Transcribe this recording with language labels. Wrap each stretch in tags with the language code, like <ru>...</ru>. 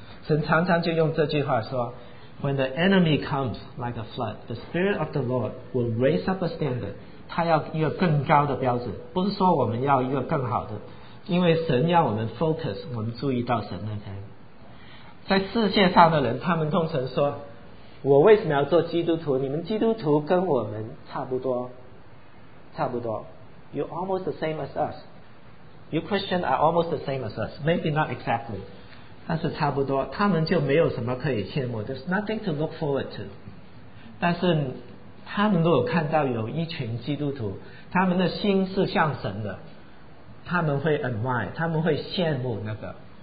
<zh>神常常就用这句话说，</zh> <en>When the enemy comes like a flood, the spirit of the Lord will raise up a standard，</en> <zh>他要一个更高的标准，不是说我们要一个更好的，因为神要我们 focus， 我们注意到神那边。在世界上的人他们通常说，我为什么要做基督徒？你们基督徒跟我们差不多，差不多。</zh> <en>You almost the same as us. You Christian are almost the same as us. Maybe not exactly，</en> <zh>但是差不多。他们就没有什么可以羡慕。</zh> <en>There's nothing to look forward to。</en> <zh>但是他们如果看到有一群基督徒，他们的心是向神的，他们会 admire， 他们会羡慕那个。</zh>